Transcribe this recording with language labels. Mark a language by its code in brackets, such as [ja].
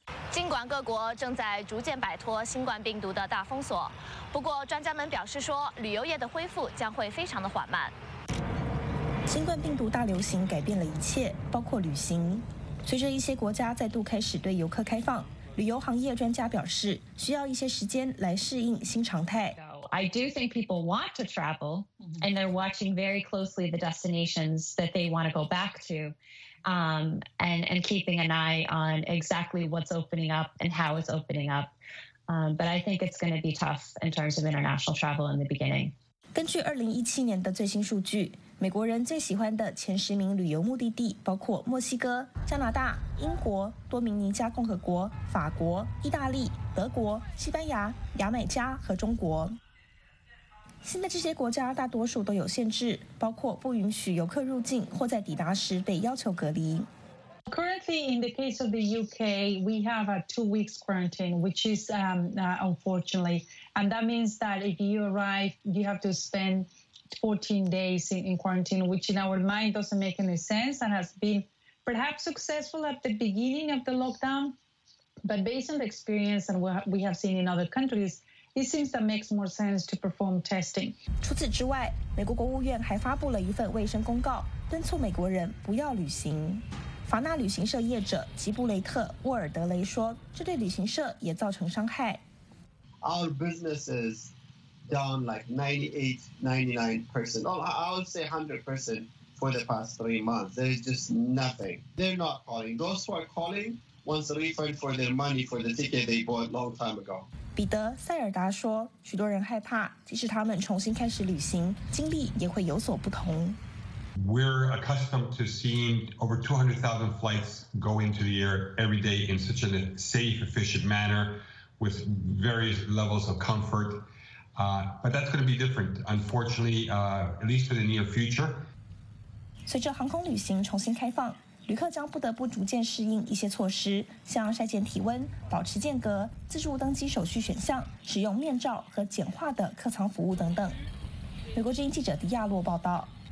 [zh] 尽管各国正在逐渐摆脱新冠病毒的大封锁，不过专家们表示说，旅游业的恢复将会非常的缓慢。新冠病毒大流行改变了一切，包括旅行。随着一些国家再度开始对游客开放，旅游行业专家表示需要一些时间来适应新常态。 [en] I do think people want to travel, and they're watching very closely the destinations that they want to go back to, and keeping an eye on exactly what's opening up and how it's opening up. But I think it's going to be tough in terms of international travel in the beginning. [zh] 根据2017年的最新数据，美国人最喜欢的前十名旅游目的地包括墨西哥、加拿大、英国、多米尼加共和国、法国、意大利、德国、西班牙、牙买加和中国。现在这些国家大多数都有限制，包括不允许游客入境或在抵达时被要求隔离。 [en] Currently, in the case of the UK, we have a 2 weeks quarantine, which is unfortunately, and that means that if you arrive, you have to spend 14 days in quarantine, which in our mind doesn't make any sense and has been perhaps successful at the beginning of the lockdown. But based on the experience and what we have seen in other countries,It seems that makes more sense to perform testing. [zh] 除此之外，美国国务院还发布了一份卫生公告，敦促美国人不要旅行。法纳旅行社业者吉布雷特·沃尔德雷说，这对旅行社也造成伤害。 [en] Our business is down like 98, 99%. Oh, I would say 100% for the past 3 months. There's just nothing. They're not calling. Those who are calling want a refund for their money for the ticket they bought long time ago. [zh] 彼得·塞尔达说，许多人害怕，即使他们重新开始旅行，经历也会有所不同。 [en] We're accustomed to seeing over 200,000 flights go into the air every day in such a safe, efficient manner with various levels of comfort. But that's going to be different, unfortunately, at least for the near future. [zh] 随着航空旅行重新开放，旅客将不得不逐渐适应一些措施，像筛检体温、保持间隔、自助登机手续选项、使用面罩和简化的客舱服务等等。美国之音记者迪亚洛报道。